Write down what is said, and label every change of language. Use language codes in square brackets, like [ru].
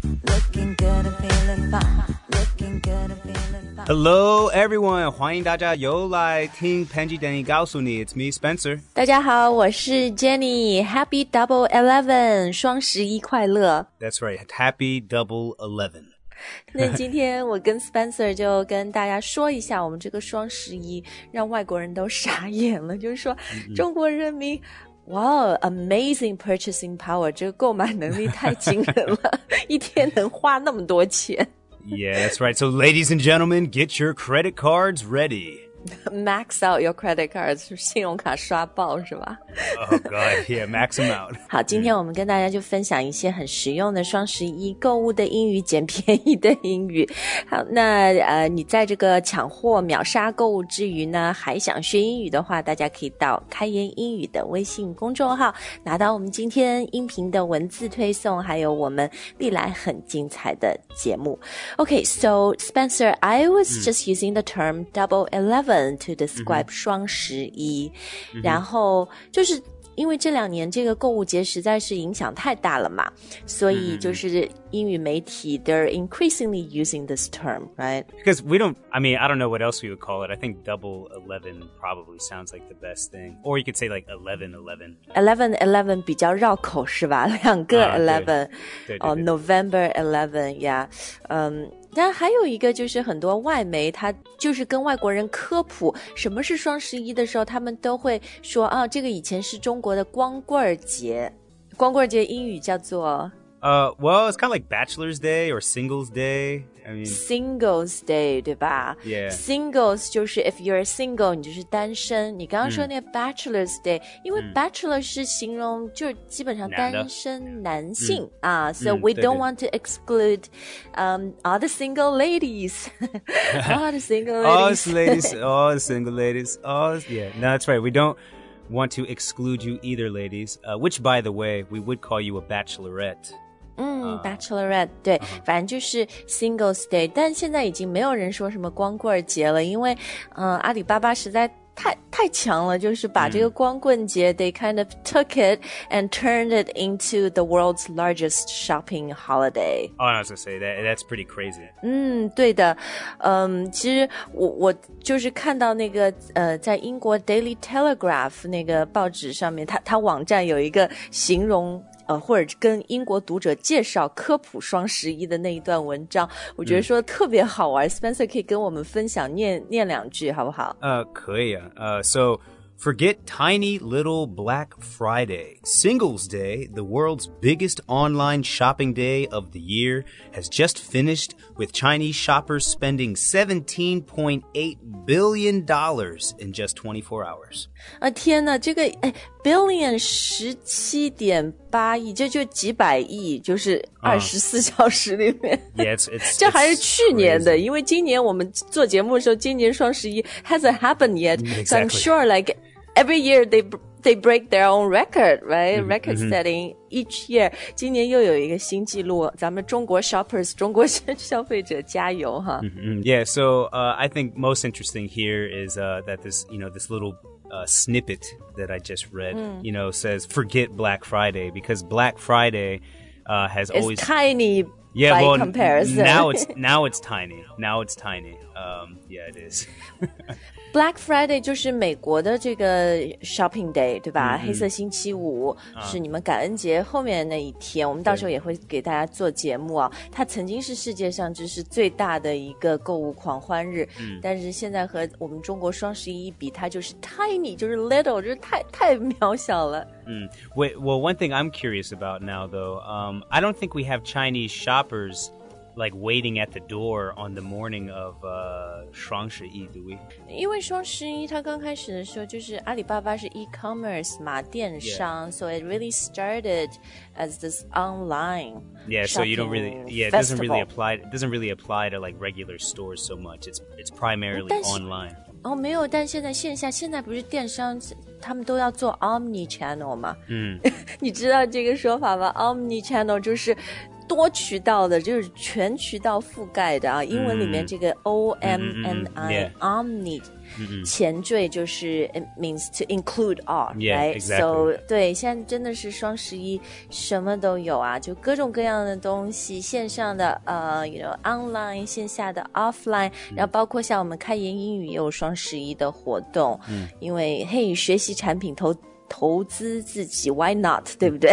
[en] Looking good and feeling fine. Looking good and feeling fine. Hello, everyone. [zh] 欢迎大家又来听 Panji Danny 告诉你。 [en] It's me, Spencer. [zh] 大家好，我是 Jenny. [en] Happy Double 11, [zh] 双十一快乐。 [en] That's right. Happy Double 11. [zh] 那今天我跟 Spencer 就跟大家说一下，我们这个双十一让外国人都傻眼了，就是说中国人民，哇、wow, ， [en] amazing purchasing power， [zh] 这个购买能力太惊人了，一天能花那么多钱。 [en] Yeah, that's right. So, ladies and gentlemen, get your credit cards ready. Max out your credit cards, [zh] 信用卡刷爆是吧 [en] ？Oh God, yeah, max them out. [zh] 好，今天我们跟大家就分享一些很实用的双十一购物的英语，捡便宜的英语。好，那你在这个抢货秒杀购物之余呢，还想学英语的话，大家可以到开言英语的微信公众号拿到我们今天音频的文字推送，还有我们历来很精彩的节目。 [en] Okay, so Spencer, I was just using the term double eleven to describe 双十一， [zh] 然后就是因为这两年这个购物节实在是影响太大了嘛，所以就是英语媒体 [en] they're increasingly using this term, right? Because I don't know what else we would call it. I think double 11 probably sounds like the best thing. Or you could say like 11-11. [zh] 11-11 比较绕口是吧？两个 11. [en] November 11, yeah. [zh] 但还有一个就是很多外媒他就是跟外国人科普什么是双十一的时候，他们都会说啊，这个以前是中国的光棍节。光棍节英语叫做 [en] Well, it's kind of like Bachelor's Day or Singles Day. Singles Day, [zh] 对吧 [en] ？Yeah. [zh] Singles 就是 [en] if you're single, [zh] 你就是单身。你刚刚说那个 Bachelor's Day, 因为 Bachelor 是形容就是基本上单身男性啊、 [en] so we don't want to exclude all the single ladies. All the single ladies. No, that's right. We don't. Want to exclude you either, ladies. Which, by the way, we would call you a bachelorette. Bachelorette, [zh] 对、 [en] uh-huh. [zh] 反正就是 Singles Day. 但现在已经没有人说什么光棍节了，因为、阿里巴巴实在太强了，就是把这个光棍节、 [en] they kind of took it and turned it into the world's largest shopping holiday. Oh, I was going to say that's pretty crazy. [zh] 对的，其实我就是看到那个在英国 Daily Telegraph 那个报纸上面，它网站有一个形容或者跟英国读者介绍科普双十一的那一段文章，我觉得说特别好玩。 Spencer 可以跟我们分享念两句，好不好？可以啊。 [en] So, forget tiny little Black Friday. Singles Day, the world's biggest online shopping day of the year, has just finished with Chinese shoppers spending $17.8 billion in just 24 hours. [zh] 天哪，这个billion 17.8亿，这就几百亿，就是24小时里面。 [en] Yeah, it's [zh] 这还是去年的，因为今年我们做节目的时候，今年双十一 [en] hasn't happened yet. Exactly. So I'm sure like every year they break their own record, right? Record setting each year. [zh] 今年又有一个新纪录，咱们中国 shoppers, 中国消费者加油哈。 [en] Yeah, so I think most interesting here is that this little... snippet that I just read, you know, says forget Black Friday because Black Friday has it's always tiny. Yeah, by well, comparison. Now it's tiny. Now it's tiny. Yeah, it is. [zh] Black Friday 就是美国的这个 [en] shopping day, [zh] 对吧、mm-hmm. 黑色星期五是你们感恩节后面那一天、我们到时候也会给大家做节目啊。它曾经是世界上就是最大的一个购物狂欢日、但是现在和我们中国双十一比，它就是 tiny, 就是 little, 就是太渺小了。 [en] Well, one thing I'm curious about now, though, I don't think we have Chinese shoppers... like waiting at the door on the morning of 双十一 do we? [zh] 因为双十一它刚开始的时候就是阿里巴巴是 e-commerce 嘛电商、 [en] yeah. so it really started as this online yeah so you don't really yeah it festival. Doesn't really apply to like regular stores so much it's primarily online [zh] 哦没有但现在线下现在不是电商他们都要做 omni channel 嘛嗯你知道这个说法吗 omni channel 就是多渠道的，就是全渠道覆盖的啊。英文里面这个 OMNI,Omni,、 [en] yeah. [zh] 前缀就是 [en] it means to include all, yeah, right?、 Exactly. [zh] So, 对，现在真的是双十一什么都有啊，就各种各样的东西，线上的 [en] you know, online, [zh] 线下的 offline,、mm-hmm. 然后包括像我们开言英语也有双十一的活动、 mm-hmm. 因为嘿、hey, 学习产品投资自己 , [en] why not, [zh] 对不对、